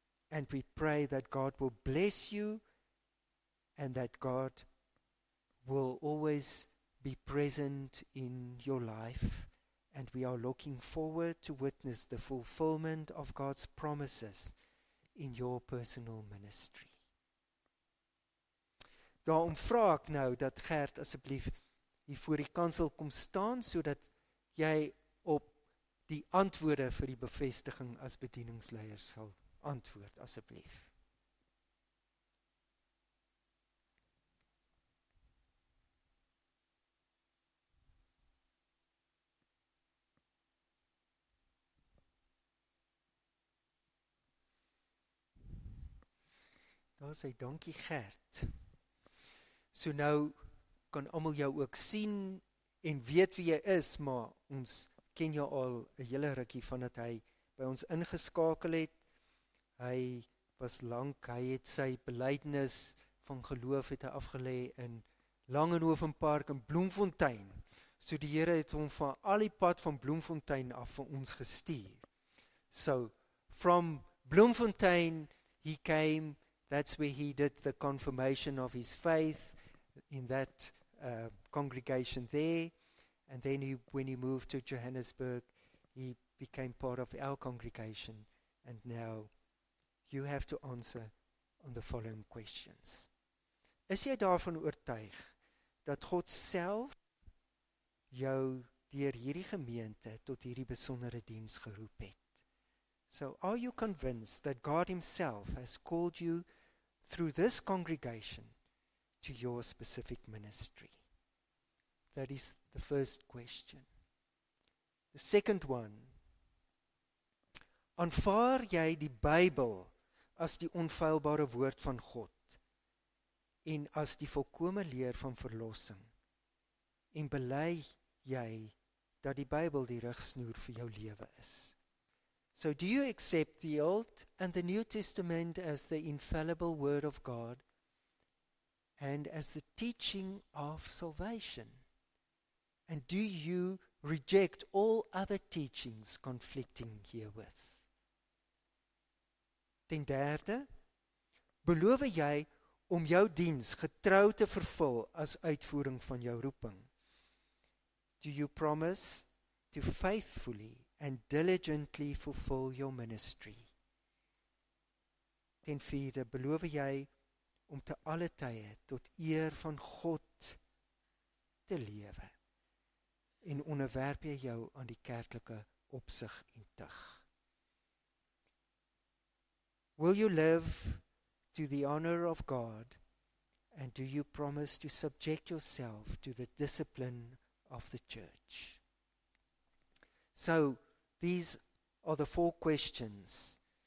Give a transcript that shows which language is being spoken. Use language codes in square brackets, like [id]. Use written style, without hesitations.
[en] And we pray that God will bless you and that God will always be present in your life. And we are looking forward to witness the fulfillment of God's promises in your personal ministry. [af] Daarom vra ek nou dat Gert asseblief hier voor die kansel kom staan sodat jy op die antwoorde vir die bevestiging as bedieningsleier sal antwoord asseblief. Daar sê dankie Gert. So nou kan almal jou ook sien en weet wie jy is, maar ons ken jou al 'n hele rukkie vandat hy by ons ingeskakel het. Hy was lank, hy het sy belydenis van geloof het hy afgelê in Langenhovenpark in Bloemfontein. So die Here het hom van al die pad van Bloemfontein af vir ons gestuur. [en] So from Bloemfontein he came, that's where he did the confirmation of his faith in that congregation there. And then he, when he moved to Johannesburg, he became part of our congregation. And now you have to answer on the following questions. [af] Is jy daarvan oortuig dat God self jou deur hierdie gemeente tot hierdie besondere diens geroep het? [en] So are you convinced that God himself has called you through this congregation to your specific ministry? That is the first question. The second one, [af] aanvaar jy die Bybel as die onfeilbare woord van God en as die volkome leer van verlossing en bely jy dat die Bybel die rigsnoer vir jou lewe is? [en] So do you accept the Old and the New Testament as the infallible word of God and as the teaching of salvation? And do you reject all other teachings conflicting herewith? [af] Ten derde, beloof jy om jou diens getrou te vervul as uitvoering van jou roeping? [en] Do you promise to faithfully and diligently fulfill your ministry? [af] Ten vierde, beloof jy om te alle tye tot eer van God te lewe en onderwerp jy jou aan die kerklike opsig en tug? [en] Will you live to the honor of God, and do you promise to subject yourself to the discipline of the church? So these are the four questions.